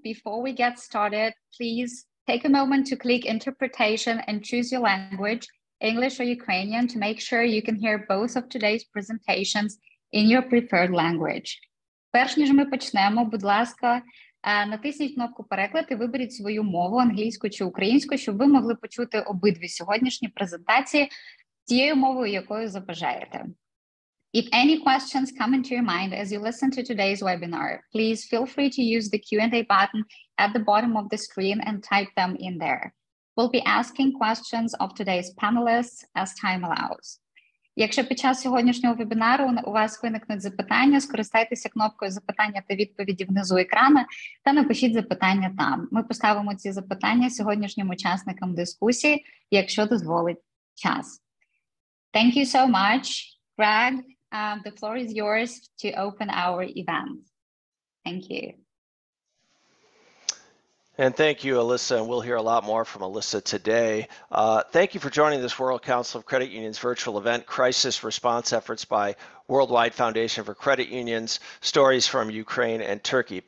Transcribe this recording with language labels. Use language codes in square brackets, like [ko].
[en] Before we get started, please take a moment to click interpretation and choose your language, English or Ukrainian, to make sure you can hear both of today's presentations in your preferred language. [uk] Перш ніж ми почнемо, будь ласка, натисніть кнопку переклад і виберіть свою мову, англійську чи українську, щоб ви могли почути обидві сьогоднішні презентації тією мовою, якою забажаєте. [en] If any questions come into your mind as you listen to today's webinar, please feel free to use the Q&A button at the bottom of the screen and type them in there. We'll be asking questions of today's panelists as time allows. [uk] Якщо під час сьогоднішнього вебінару у вас виникнуть запитання, скористайтеся кнопкою «Запитання та відповіді» внизу екрана та напишіть запитання там. Ми поставимо ці запитання сьогоднішнім учасникам дискусії, якщо дозволить час. [en] Thank you so much. Greg, the floor is yours to open our event. Thank you. And thank you, Alyssa, and we'll hear a lot more from Alyssa today. Thank you for joining this World Council of Credit Unions virtual event, Crisis Response Efforts by Worldwide Foundation for Credit Unions, Stories from Ukraine and Turkey.